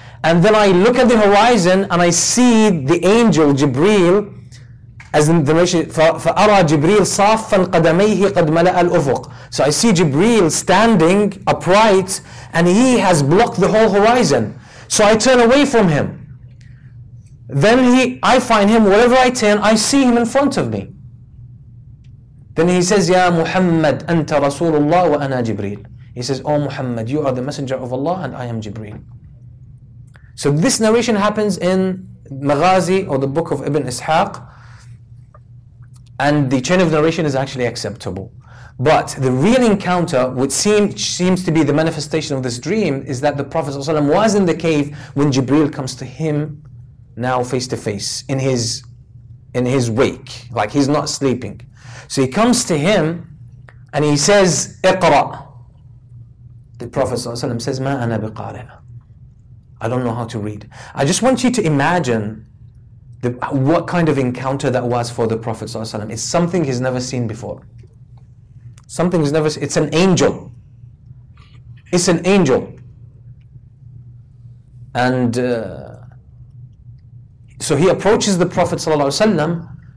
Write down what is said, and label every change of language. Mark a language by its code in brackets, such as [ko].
[en] And then I look at the horizon and I see the angel Jibreel, as in the mission, [ar] فَأَرَى جِبْرِيلْ صَافًا قَدَمَيْهِ قَدْ مَلَأَ الْأُفُقِ. [en] So I see Jibreel standing upright and he has blocked the whole horizon. So I turn away from him. Then I find him, wherever I turn, I see him in front of me. Then he says, [ar] يَا مُحَمَّدْ أَنْتَ رَسُولُ اللَّهِ وَأَنَا جِبْرِيلْ. [en] He says, oh Muhammad, you are the messenger of Allah and I am Jibreel. So this narration happens in Maghazi or the book of Ibn Ishaq. And the chain of narration is actually acceptable. But the real encounter, which seems to be the manifestation of this dream, is that the Prophet ﷺ was in the cave when Jibreel comes to him now face to face, in his wake. Like he's not sleeping. So he comes to him and he says, اقرأ. The Prophet ﷺ says, [ar] ما أنا بقارئ. [en] I don't know how to read. I just want you to imagine what kind of encounter that was for the Prophet ﷺ. It's something he's never seen before. It's an angel. It's an angel. And so he approaches the Prophet ﷺ.